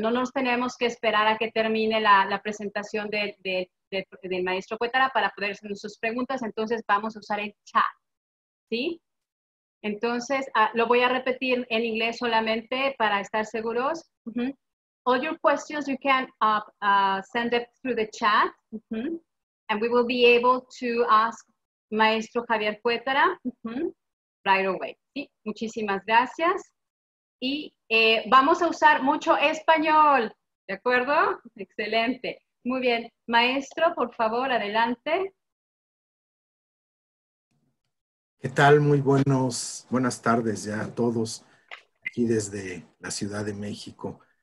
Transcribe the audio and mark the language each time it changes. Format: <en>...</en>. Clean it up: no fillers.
<es>No nos tenemos que esperar a que termine la presentación del maestro Cuétara para poder hacer sus preguntas, entonces vamos a usar el chat, ¿sí? Entonces, lo voy a repetir en inglés solamente para estar seguros.</es> <en>All your questions you can send it through the chat. And we will be able to ask Maestro Javier Cuétara right away.</en> <es>¿Sí? Muchísimas gracias. Y vamos a usar mucho español, ¿de acuerdo? Excelente. Muy bien. Maestro, por favor, adelante. ¿Qué tal? Muy buenas tardes ya a todos aquí desde la Ciudad de México.</es>